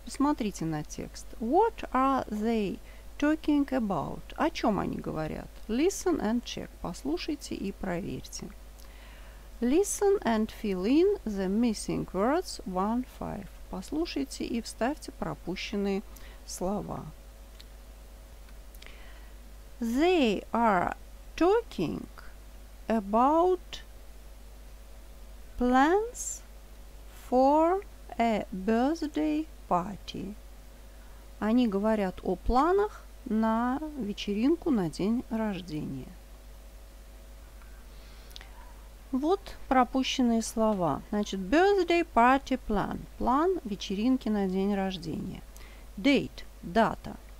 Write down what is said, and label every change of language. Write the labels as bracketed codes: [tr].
[ru] Посмотрите на текст. [en] What are they talking about? [ru] О чем они говорят? [en] Listen and check. [ru] Послушайте и проверьте. [en] Listen and fill in the missing words 1-5. [ru] Послушайте и вставьте пропущенные слова. [en] They are talking about plans for a birthday party. [ru] Они говорят о планах на вечеринку на день рождения. Вот пропущенные слова. Значит, [en] birthday party plan. [ru] План вечеринки на день рождения. Date – дата.